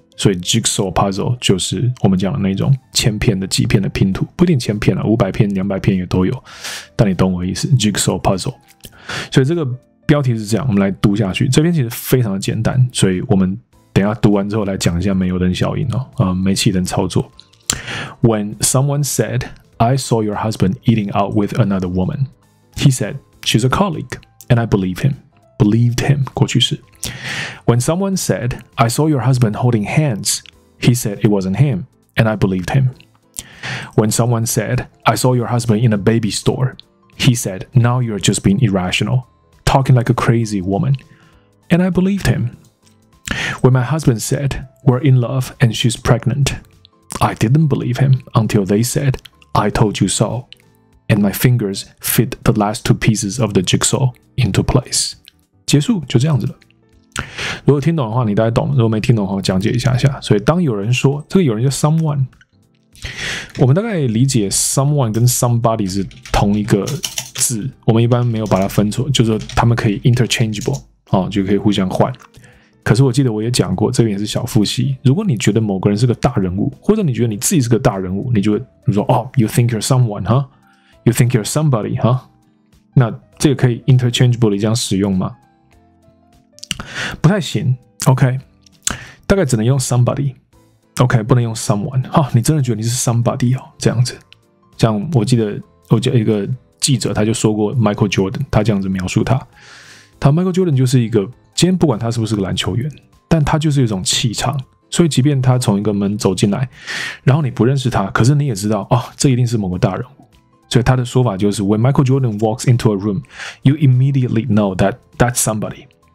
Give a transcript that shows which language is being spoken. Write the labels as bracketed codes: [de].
[zh] 所以 jigsaw puzzle 就是我们讲的那种千片的、几片的拼图，不一定千片了，500片、200片也都有，但你懂我意思 ，jigsaw puzzle。所以这个标题是这样，我们来读下去。这边其实非常的简单，所以我们等一下读完之后来讲一下煤油灯效应哦，煤气灯操作。 [en] When someone said, I saw your husband eating out with another woman, he said, she's a colleague, and I believe him. Believed him, [zh] 过去式。 [en] When someone said, I saw your husband holding hands, he said it wasn't him, and I believed him. When someone said, I saw your husband in a baby store, he said, now you're just being irrational, talking like a crazy woman, and I believed him. When my husband said, we're in love and she's pregnant,I didn't believe him until they said, I told you so. And my fingers fit the last two pieces of the jigsaw into place. [zh] 结束，就这样子了。如果听懂的话，你大概懂；如果没听懂的话，讲解一下下。所以当有人说，这个有人叫 someone，我们大概理解 someone 跟 somebody 是同一个字，我们一般没有把它分错，就是说他们可以 interchangeable，就可以互相换。可是我记得我也讲过，这边也是小复习。如果你觉得某个人是个大人物，或者你觉得你自己是个大人物，你就会说：“哦、 [en] oh, ，you think you're someone， [zh] 哈、huh? ， [en] you think you're somebody， [zh] 哈、huh?。” 那这个可以 interchangeably 这样使用吗？不太行。 OK， 大概只能用 somebody。OK， 不能用 someone。哈，你真的觉得你是 somebody 哦？这样子，像我记得我叫一个记者，他就说过 Michael Jordan， 他这样子描述他，他 Michael Jordan 就是一个。今天不管他是不是个篮球员，但他就是一种气场，所以即便他从一个门走进来，然后你不认识他，可是你也知道，哦，这一定是某个大人物。所以他的说法就是 [en] When Michael Jordan walks into a room, you immediately know that that's somebody.